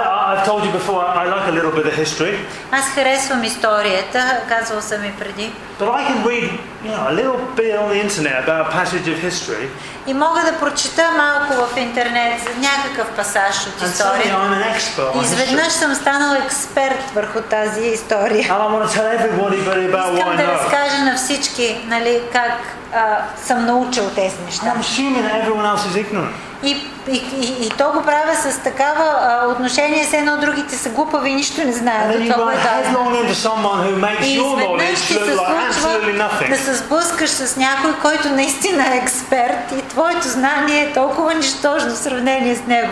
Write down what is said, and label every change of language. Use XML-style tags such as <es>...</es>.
<en>I've told you before I like a little bit of history.</en> <bg>Аз харесвам историята, казвал съм и преди.</bg> <en>But I can read, you know, a little bit on the internet about a passage of history.</en> <bg>И мога да прочета малко в интернет за някакъв пасаж от историята.</bg> <en>And suddenly I'm an expert.</en> <bg>Изведнъж съм станал експерт върху тази история.</bg> <en>And I want to tell everybody about what I know.</en> <bg>Искам да разкажа на всички, нали, как съм научил тези неща.</bg> <en>I'm assuming that everyone else is ignorant.</en> <bg>И то го правя с такава отношение, с едно другите са глупави и нищо не знаят.</bg> <en>And then you run headlong into someone who makes your knowledge look like absolutely nothing.</en> <bg>Да се сблъскаш с някой, който наистина е експерт и твоето знание е толкова нищожно в сравнение с него.</bg>